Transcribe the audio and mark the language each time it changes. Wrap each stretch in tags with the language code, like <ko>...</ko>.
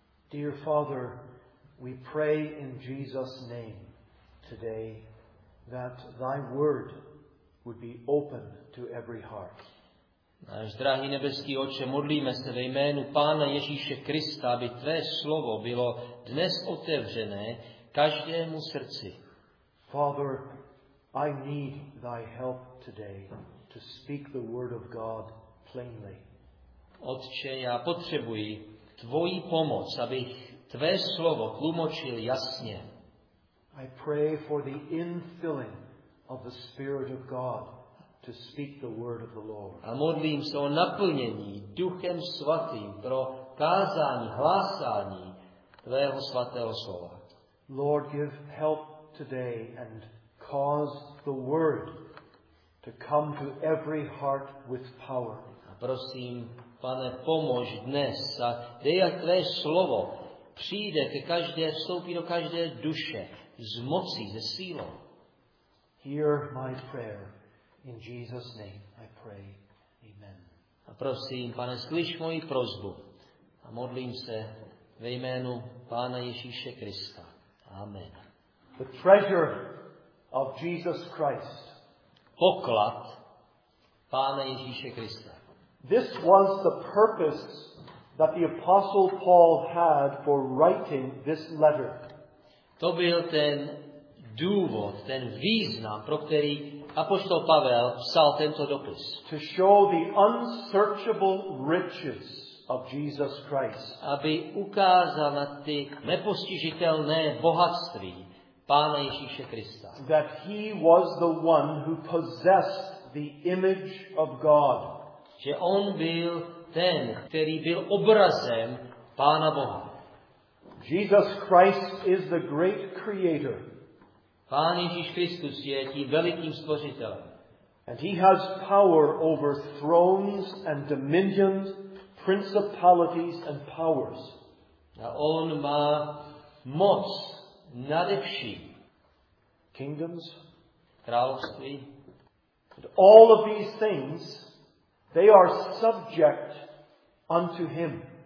<en>Dear Father, we pray in Jesus' name today that thy word would be open to every heart.</en> <cs>Náš drahý nebeský Otče, modlíme se ve jménu Pána Ježíše Krista, aby tvé slovo bylo dnes otevřené každému srdci.</cs> <en>Father, I need thy help today to speak the word of God plainly.</en> <cs>Otče, já potřebuji tvoji pomoc, abych tvé slovo tlumočil jasně.</cs> <en>I pray for the infilling of the Spirit of God to speak the word of the Lord.</en> <cs>A modlím se o naplnění Duchem Svatým pro kázání, hlásání tvého svatého slova.</cs> <en>Lord, give help today and cause the word to come to every heart with power.</en> <cs>A prosím, Pane, pomož dnes a dej, jak tvé slovo přijde ke každé, vstoupí do každé duše z mocí, ze sílou.</cs> <en>Hear my prayer in Jesus' name, I pray. Amen.</en> <cs>A prosím, Pane, slyš moji prosbu a modlím se ve jménu Pána Ježíše Krista. Amen.</cs> <en>The treasure of Jesus Christ.</en> <cs>Poklad Pána Ježíše Krista.</cs> <en>This was the purpose that the Apostle Paul had for writing this letter.</en> <cs>To byl ten důvod, ten význam, pro který apoštol Pavel psal tento dopis.</cs> <en>To show the unsearchable riches of Jesus Christ.</en> <cs>Aby ukázal na ty nepostižitelné bohatství Pána Ježíše Krista.</cs> <en>That he was the one who possessed the image of God.</en> <cs>Že on byl ten, který byl obrazem Pána Boha.</cs> <en>Jesus Christ is the great creator.</en> <cs>Pán Ježíš Kristus je tím velikým stvořitelem.</cs> <en>And he has power over thrones and dominions, principalities and powers.</en> <cs>A on má moc nad vším.</cs> <en>Kingdoms,</en> <cs>království.</cs> <en>And all of these things, they are subject unto him.</en>